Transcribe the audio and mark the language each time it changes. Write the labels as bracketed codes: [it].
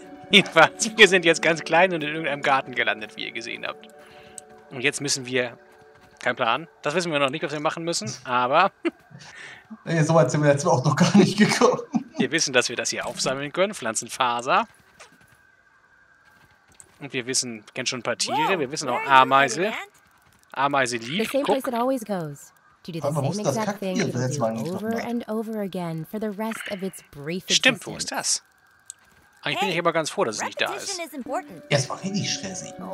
[de] Jedenfalls, wir sind jetzt ganz klein und in irgendeinem Garten gelandet, wie ihr gesehen habt. Und jetzt müssen wir... Kein Plan. Das wissen wir noch nicht, was wir machen müssen, aber... Nee, so weit sind wir jetzt auch noch gar nicht gekommen. Wir wissen, dass wir das hier aufsammeln können, Pflanzenfaser. Und wir wissen, kennen schon ein paar Tiere, wir wissen auch Ameise. Ameise lieb, guck. [en] The same place it always goes. To do the same exact thing over and over again for the rest of its brief existence. [de] Stimmt, wo ist das? Eigentlich bin ich aber ganz froh, dass es nicht da ist. Es war richtig stressig.